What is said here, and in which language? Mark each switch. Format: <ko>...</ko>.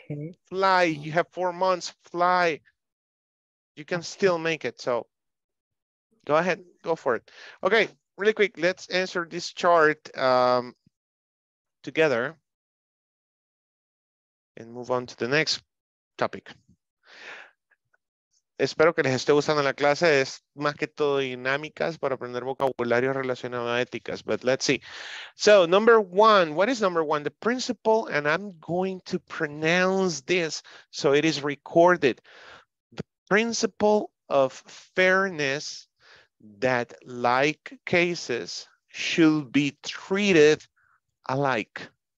<en>You have 4 months, fly. You can still make it. So go ahead, go for it. Okay, really quick, let's answer this chart together and move on to the next topic.</en> <es>Espero que les esté gustando la clase. Es más que todo dinámicas para aprender vocabulario relacionado a éticas.</es> <en>But let's see. So number one, what is number one? The principle, and I'm going to pronounce this so it is recorded. The principle of fairness that like cases should be treated alike.</en>